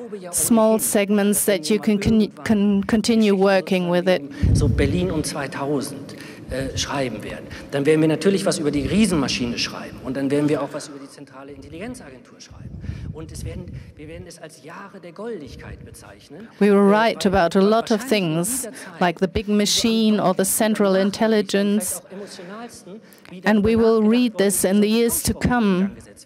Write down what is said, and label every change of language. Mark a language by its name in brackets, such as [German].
[English] Small segments that you can continue working with it. [German] So Berlin um 2000 schreiben werden, dann werden wir natürlich was über die Riesenmaschine schreiben und dann werden wir auch was über die zentrale Intelligenzagentur schreiben. Und wir werden es als Jahre der Goldigkeit bezeichnen. [English] We will write about a lot of things, like the big machine or the central intelligence, and we will read this in the years to come.